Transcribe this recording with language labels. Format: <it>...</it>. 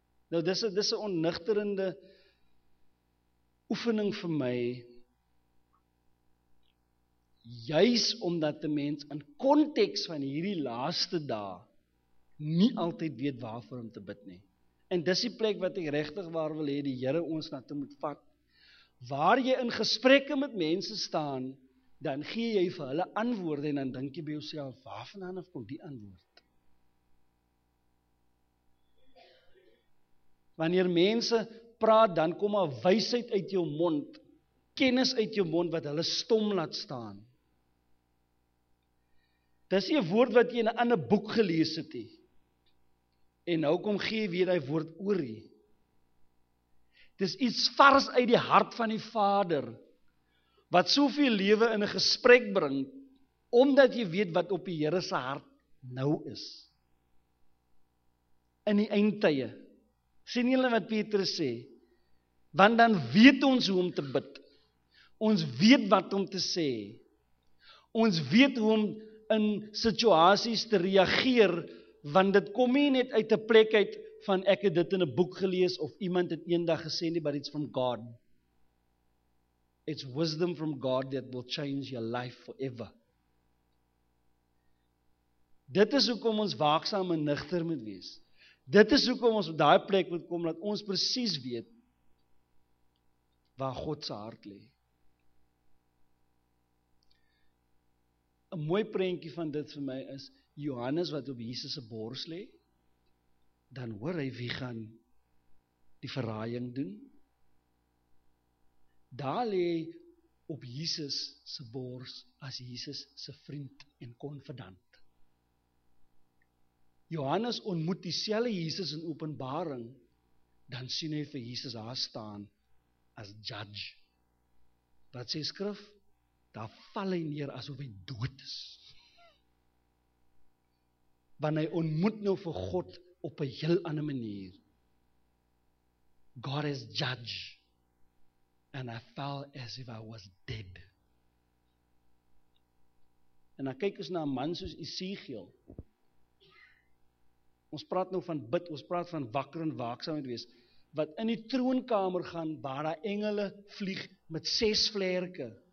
<af>Nou, dis 'n onnugterende oefening vir my, juis omdat die mens in konteks van hierdie laaste dae nie altyd weet waarvoor om te bid nie. En dis die plek wat ek regtig waar wil hê die Here ons na toe moet vat. Waar jy in gesprekke met mense staan, dan gee jy vir hulle antwoorde en dan dink jy by jouself, waarvandaan af kom die antwoord? Wanneer mense praat, dan kom maar wysheid uit jou mond, kennis uit jou mond, wat hulle stom laat staan. Dis 'n woord wat jy in 'n ander boek gelees het. En nou kom gee weer die woord oorie. Dis iets vars uit die hart van die Vader, wat soveel lewe in 'n gesprek bring, omdat jy weet wat op die Here se hart nou is. In die eindtye. Sien julle wat Petrus sê? Want dan weet ons hoe om te bid. Ons weet wat om te sê. Ons weet hoe om in situasies te reageer, want dit kom nie net uit 'n plek uit van ek het dit in 'n boek gelees of iemand het eendag gesê nie,</af> <en>but it's from God. It's wisdom from God that will change your life forever.</en> <af>Dit is hoekom ons waaksaam en nugter moet wees. Dit is hoekom ons op daai plek moet kom dat ons presies weet waar God se hart lê. 'N Mooi prentjie van dit vir my is Johannes wat op Jesus se bors lê. Dan hoor hy wie gaan die verraaiing doen. Daar lê op Jesus se bors as Jesus se vriend en konfidant. Johannes ontmoet dieselfde Jesus in Openbaring, dan sien hy vir Jesus daar staan as judge. Wat sê skrif? Daar val hy neer asof hy dood is. Want hy ontmoet nou vir God op 'n heel ander manier.</af> <en>God is judge. And I fell as if I was dead.</en> <af>En dan kyk ons na 'n man soos Esegiel. Ons praat nou van bid, ons praat van wakker en waaksaamheid wees, wat in die troonkamer gaan, waar daar engele vlieg met 6 vlerke.</af>